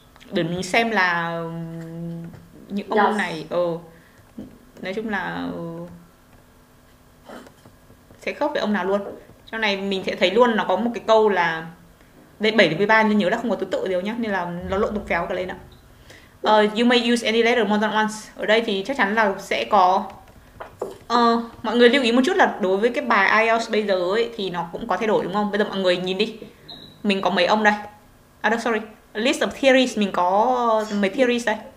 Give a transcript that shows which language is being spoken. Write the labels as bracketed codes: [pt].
[vi] Để mình xem là những ông này nói chung là sẽ khớp với ông nào luôn. Trong này mình sẽ thấy luôn nó có một cái câu là đây 7 đến 13 nên nhớ là không có thứ tự đều nhá, nên là nó lộn tục phéo cả lên ạ. [en] You may use any letter more than once. [vi] Ở đây thì chắc chắn là sẽ có mọi người lưu ý một chút là đối với cái bài IELTS bây giờ ấy thì nó cũng có thay đổi đúng không? Bây giờ mọi người nhìn đi. Mình có mấy ông đây. À đâu, sorry. List of theories mình có mấy theories đây.